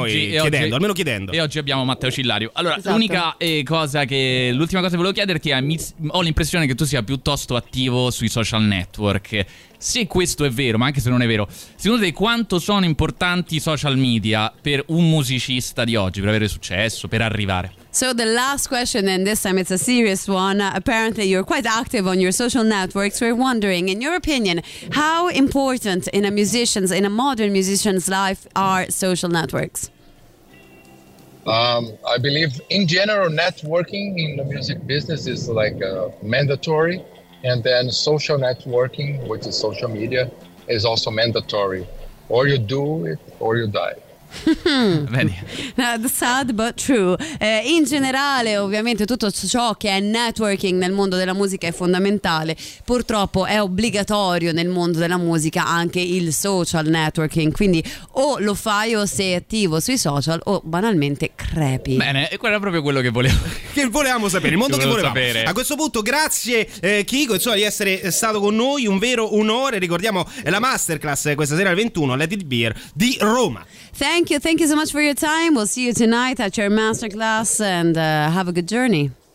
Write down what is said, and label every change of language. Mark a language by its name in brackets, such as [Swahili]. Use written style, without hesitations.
[Italian] chiedendo. E oggi abbiamo Matteo Cillario. Allora, esatto. L'unica cosa che l'ultima cosa che volevo chiederti è: ho l'impressione che tu sia piuttosto attivo sui social network. Se questo è vero, ma anche se non è vero, secondo te quanto sono importanti i social media per un musicista di oggi, per avere successo, per arrivare? [English] So the last question, and this time it's a serious one. Apparently you're quite active on your social networks. We're wondering, in your opinion, how important in a musician's, in a modern musician's life are social networks? I believe in general networking in the music business is like mandatory. And then social networking, which is social media, is also mandatory. Or you do it or you die. [Italian] Vedi. [English] Sad but true. [Italian] In generale, ovviamente, tutto ciò che è networking nel mondo della musica è fondamentale. Purtroppo è obbligatorio nel mondo della musica anche il social networking. Quindi o lo fai o sei attivo sui social o banalmente crepi. Bene, e quello è proprio quello che volevo che volevamo sapere, il mondo che volevamo sapere. A questo punto, grazie Kiko, insomma, di essere stato con noi. Un vero onore. Ricordiamo la masterclass questa sera alle 21, Let It Beer di Roma. [English] Thank you so much for your time. We'll see you tonight at your masterclass and have a good journey.